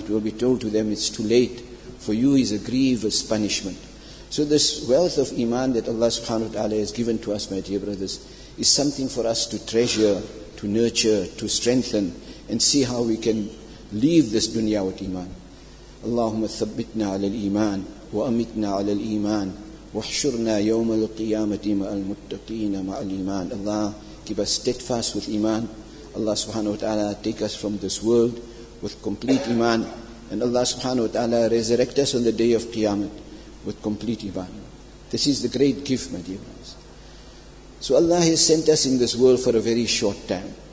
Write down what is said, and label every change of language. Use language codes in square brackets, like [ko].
[en] It will be told to them, it's too late. For you is a grievous punishment. So this wealth of Iman that Allah subhanahu wa ta'ala has given to us, my dear brothers, is something for us to treasure, to nurture, to strengthen, and see how we can leave this dunya with Iman. [ar] Allahumma thabbitna ala al-Iman. وأمتنا على الإيمان وحشرنا يوم القيامة مع المتقين مع الإيمان. [en] Allah, keep us steadfast with Iman. Allah subhanahu wa ta'ala, take us from this world with complete Iman. And Allah subhanahu wa ta'ala, resurrect us on the day of Qiyamah with complete Iman. This is the great gift, my dear friends. So Allah has sent us in this world for a very short time.